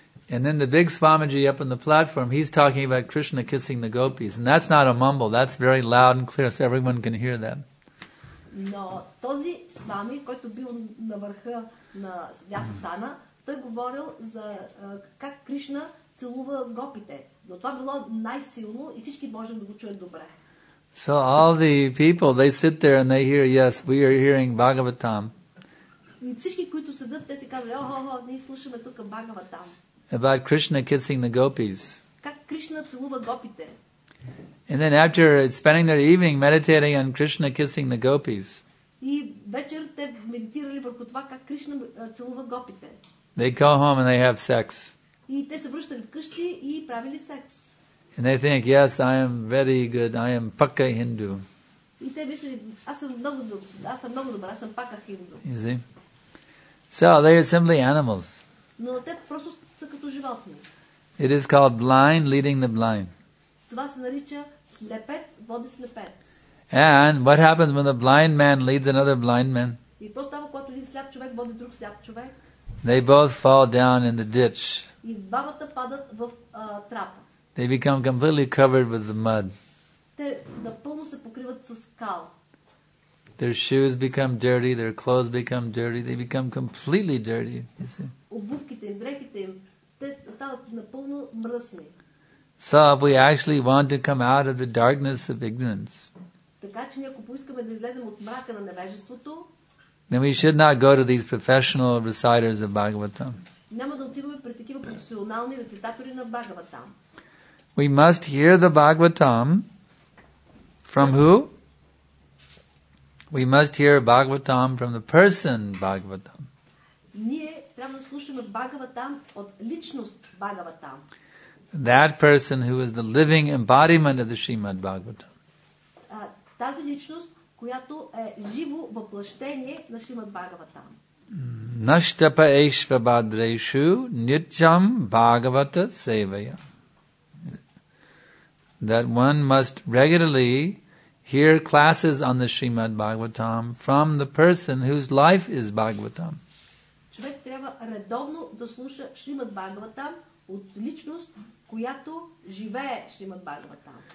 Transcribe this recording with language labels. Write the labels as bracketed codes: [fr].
[en] And then the big Swamiji up on the platform, he's talking about Krishna kissing the gopis. And that's not a mumble, that's very loud and clear, so everyone can hear that. [bg] Но този Свами, който бил на върха на Ясасана, той говорил за как Кришна целува гопите. Но това било най-силно и всички можем да го чуят добре. [en] So all the people, they sit there and they hear, yes, we are hearing Bhagavatam. [bg] И всички, които седат, те си казват, о-хо-хо, ние слушаме тук Бхагаватам. [en] About Krishna kissing the gopis. [bg] Как Кришна целува гопите. [en] And then after spending their evening meditating on Krishna kissing the gopis. [bg] И вечер те медитирали върху това как Кришна целува гопите. [en] They go home and they have sex. [bg] И те се връщали вкъщи и правили секс. [en] And they think, yes, I am very good. I am Pakka Hindu. [bg] И те мислили, аз съм много добър, аз съм Pakka Hindu. [en] You see? So they are simply animals. [bg] Но те просто са като животни. [en] It is called blind leading the blind. [bg] Това се нарича слепец води слепец. [en] And what happens when the blind man leads another blind man? [bg] И какво става, когато един сляп човек води друг сляп човек? [en] They both fall down in the ditch. [bg] И двамата падат в трапа. [en] They become completely covered with the mud. [bg] Те напълно се покриват с кал. [en] Their shoes become dirty, their clothes become dirty, they become completely dirty, you see. [bg] Обувките им, дрехите им, те стават напълно мръсни. [en] So if we actually want to come out of the darkness of ignorance, [bg] така че ако поискаме да излезем от мрака на невежеството, [en] then we should not go to these professional reciters of Bhagavatam. [bg] Няма да отиваме пред такива професионални рецитатори на Бхагаватам. [en] We must hear the Bhagavatam from who? We must hear Bhagavatam from the person Bhagavatam. [bg] Ние трябва да слушаме Бхагаватам от личност Бхагаватам. [en] That person who is the living embodiment of the Srimad Bhagavatam. [bg] Тази личност, която е живо въплъщение на Шримад Бхагаватам. [sa] Наштапа ешва бадрешу нитям Бхагавата севая. [en] That one must regularly hear classes on the Srimad Bhagavatam from the person whose life is Bhagavatam. [bg] Човек трябва редовно да слуша Шримад Бхагаватам от личност, която живее Шримад Бхагаватам.